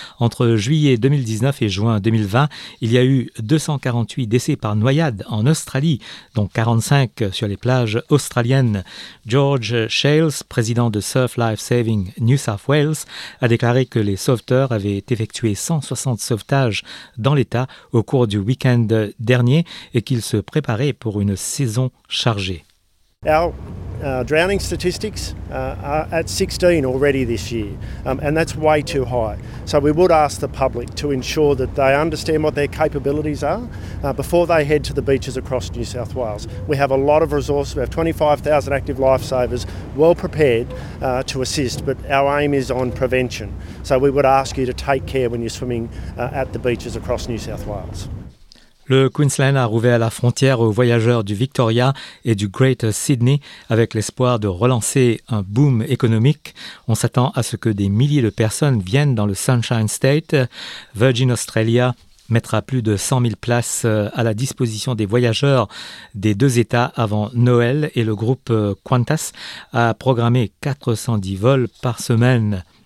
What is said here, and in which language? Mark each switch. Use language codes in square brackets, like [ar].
[fr] Entre juillet 2019 et juin 2020, il y a eu 248 décès par noyade en Australie, dont 45 sur les plages australiennes. George Shales, président de Surf Life Saving New South Wales, a déclaré que les sauveteurs avaient effectué 160 sauvetages dans l'État au cours du week-end dernier et qu'ils se préparaient pour une saison chargée. [en] Our drowning statistics are at 16 already this year, and that's way too high. So we would ask the public to ensure that they understand what their capabilities are before they head to the beaches across New South Wales. We have a lot of resources. We have 25,000 active lifesavers well prepared to assist, but our aim is on prevention. So we would ask you to take care when you're swimming at the beaches across New South Wales. [fr] Le Queensland a rouvert la frontière aux voyageurs du Victoria et du Greater Sydney avec l'espoir de relancer un boom économique. On s'attend à ce que des milliers de personnes viennent dans le Sunshine State. Virgin Australia mettra plus de 100 000 places à la disposition des voyageurs des deux États avant Noël et le groupe Qantas a programmé 410 vols par semaine.